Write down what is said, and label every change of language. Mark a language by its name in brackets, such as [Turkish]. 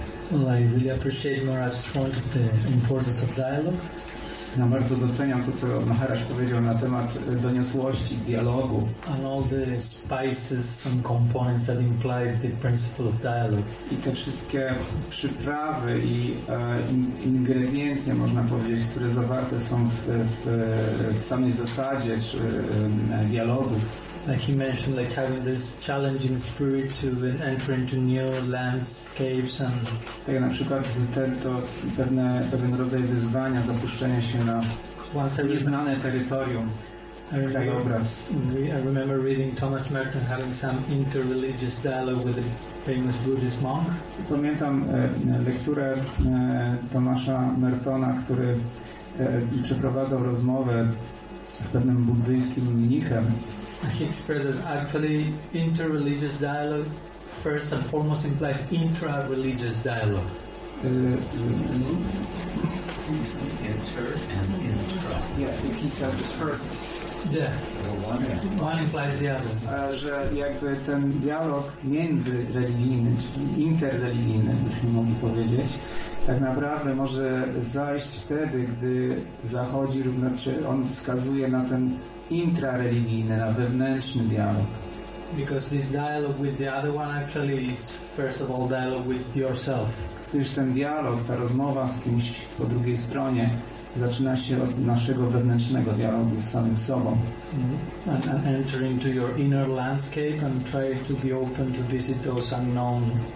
[English] Well, I really appreciate Maharaj's point of the importance of dialogue. [Polish] Ja bardzo doceniam to, co Maharaj powiedział na temat doniosłości, dialogu. [English] And all the spices and components that imply the principle of dialogue. [Polish] I te wszystkie przyprawy i ingrediencje, można powiedzieć, które zawarte są w samej zasadzie czy dialogu. [English] Like he mentioned, like having this challenging spirit to enter into new landscapes and. [Polish] Tak, na przykład to pewien rodzaj wyzwania, zapuszczenie się na nieznane terytorium, krajobraz. [English] I remember reading Thomas Merton having some interreligious dialogue with a famous Buddhist monk. [Polish] Pamiętam lekturę Tomasza Mertona, który przeprowadzał rozmowę z pewnym buddyjskim mnichem. [English] He expressed that actually interreligious dialogue first and foremost implies intra-religious dialogue. Inter and intra. Yeah, I think he said it first. Yeah. Well, one implies the other. [Polish] Że jakby ten dialog międzyreligijny, czyli interreligijny, byśmy mogli powiedzieć, tak naprawdę może zajść wtedy, gdy zachodzi, znaczy on wskazuje na ten intrareligijny, na wewnętrzny dialog. [English] Because this dialogue with the other one actually is first of all dialogue with yourself. [Polish] Gdyż ten dialog, ta rozmowa z kimś po drugiej stronie zaczyna się od naszego wewnętrznego dialogu z samym sobą. Mm-hmm. [English] And enter into your inner landscape and try to be open to visit those unknown.